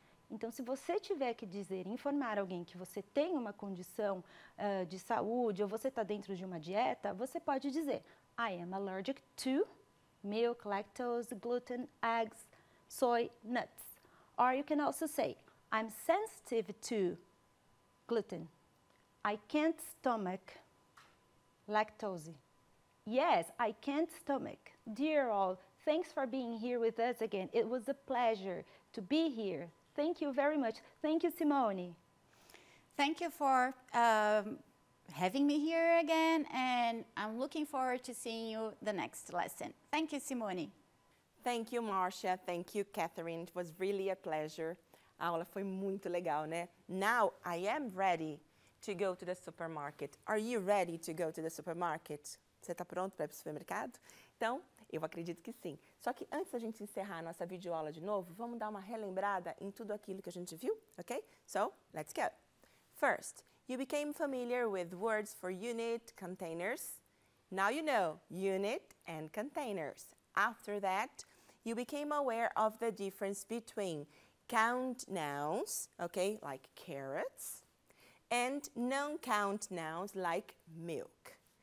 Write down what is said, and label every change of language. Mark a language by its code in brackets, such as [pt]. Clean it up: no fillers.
[pt] Então, se você tiver que dizer, informar alguém que você tem uma condição de saúde ou você está dentro de uma dieta, você pode dizer, [en] I am allergic to milk, lactose, gluten, eggs, soy, nuts. Or you can also say, I'm sensitive to gluten. I can't stomach lactose. Yes, I can't stomach. Dear all, thanks for being here with us again. It was a pleasure to be here. Thank you very much. Thank you, Simone. Thank you for having me here again, and I'm looking forward to seeing you the next lesson. Thank you, Simone. Thank you, Marcia. Thank you, Catherine. It was really a pleasure. [pt] A aula foi muito legal, né? [en] Now I am ready to go to the supermarket. Are you ready to go to the supermarket? [pt] Você está pronto para ir para o supermercado? Então, eu acredito que sim. Só que antes da gente encerrar a nossa videoaula de novo, vamos dar uma relembrada em tudo aquilo que a gente viu, ok? [en] So, let's go. First, you became familiar with words for unit, containers. Now you know, unit and containers. After that, you became aware of the difference between count nouns, ok, like carrots, and non-count nouns, like milk.